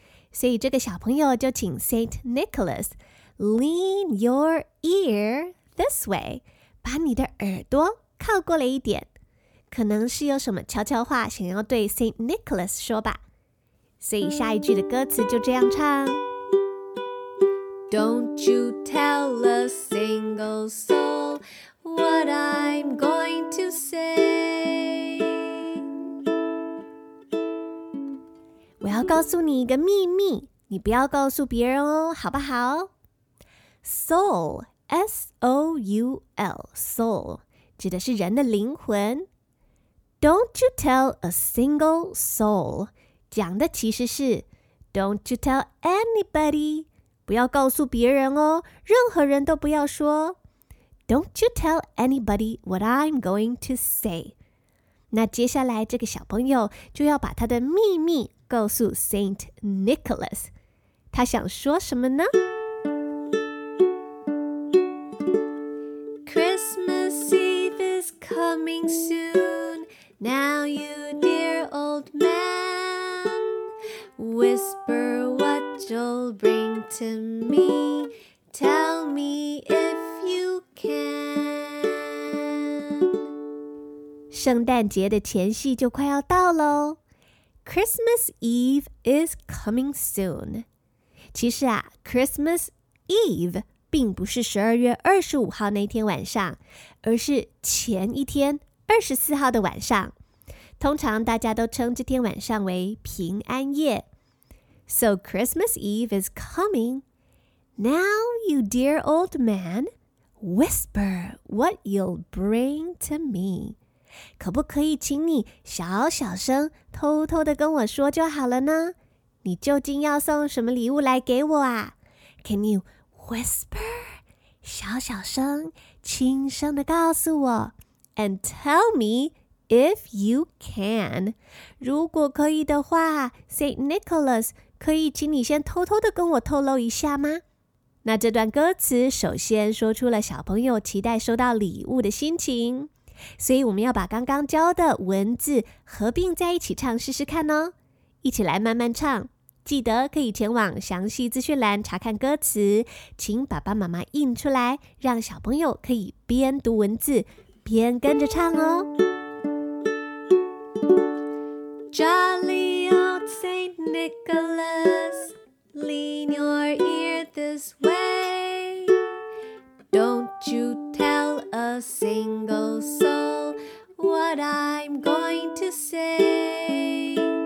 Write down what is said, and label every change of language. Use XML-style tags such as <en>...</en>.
<zh>所以这个小朋友就请 Saint Nicholas</zh> <en>Lean your ear this way,</en> <zh>把你的耳朵靠过来一点，可能是有什么悄悄话想要对 Saint Nicholas 说吧。所以下一句的歌词就这样唱，</zh> <en>Don't you tell a single soul what I'm going to say。</en> <zh>我要告诉你一个秘密，你不要告诉别人哦，好不好？</zh> <en>Soul,</en> <zh>S-O-U-L, soul 指的是人的灵魂。</zh> <en>Don't you tell a single soul</en> <zh>讲的其实是</zh> <en>Don't you tell anybody,</en> <zh>不要告诉别人哦，任何人都不要说。</zh> <en>Don't you tell anybody what I'm going to say。</en> <zh>那接下来这个小朋友就要把他的秘密告诉 Saint Nicholas， 他想说什么呢？</zh> <en>Christmas Eve is coming soon, Now you dear old man,Whisper what you'll bring to me, Tell me if you can。</en> <zh>圣诞节的前夕就快要到咯，</zh> <en>Christmas Eve is coming soon。</en> <zh>其实啊， Christmas Eve 并不是12月25号那天晚上，而是前一天24号的晚上，通常大家都称这天晚上为平安夜。</zh> <en>So Christmas Eve is coming. Now, you dear old man, whisper what you'll bring to me.</en> <zh>可不可以请你小小声偷偷的跟我说就好了呢？你究竟要送什么礼物来给我啊？</zh> <en>Can you whisper?</en> <zh>小小声轻声的告诉我。</zh> <en>And tell me if you can.</en> <zh>如果可以的话， St. Nicholas,可以请你先偷偷的跟我透露一下吗？那这段歌词首先说出了小朋友期待收到礼物的心情，所以我们要把刚刚教的文字合并在一起唱试试看哦。一起来慢慢唱，记得可以前往详细资讯栏查看歌词，请爸爸妈妈印出来，让小朋友可以边读文字边跟着唱哦。</zh> <en>Jolly old Saint Nicholas, lean your ear this way. Don't you tell a single soul what I'm going to say.</en>